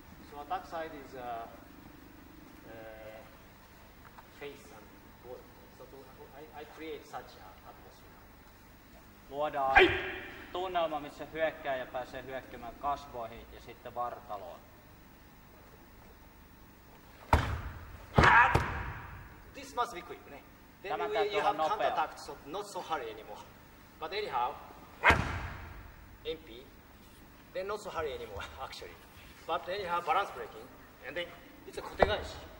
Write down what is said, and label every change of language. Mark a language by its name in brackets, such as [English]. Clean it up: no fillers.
[English] So attack side is face and body. So I create such an atmosphere. [Finnish] Luodaan tunnelma, missä hyökkää ja pääsee hyökkäämään kasvoihin ja sitten vartaloon. [English] This must be quick, right? Then [Finnish] tämän [English] we have [Finnish] nopea. [English] Counterattack, so not so hurry anymore. But anyhow, MP, then not so hurry anymore, actually. But then you have balance breaking, and then it's a kotegaishi.